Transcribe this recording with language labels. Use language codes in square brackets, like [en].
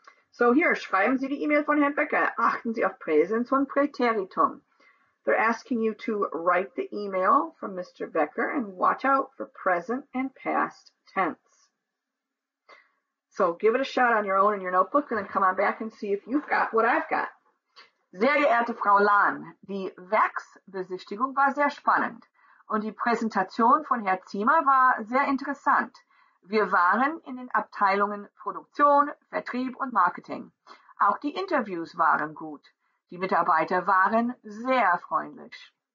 [en] So here, [de] schreiben Sie die E-Mail von Herrn Becker. Achten Sie auf Präsens und Präteritum. [en] They're asking you to write the email from Mr. Becker and watch out for present and past tense. So give it a shot on your own in your notebook and then come on back and see if you've got what I've got. [de] Sehr geehrte Frau Lahn, die Werksbesichtigung war sehr spannend. Und die Präsentation von Herrn Ziemer war sehr interessant. Wir waren in den Abteilungen Produktion, Vertrieb und Marketing. Auch die Interviews waren gut. Die Mitarbeiter waren sehr freundlich.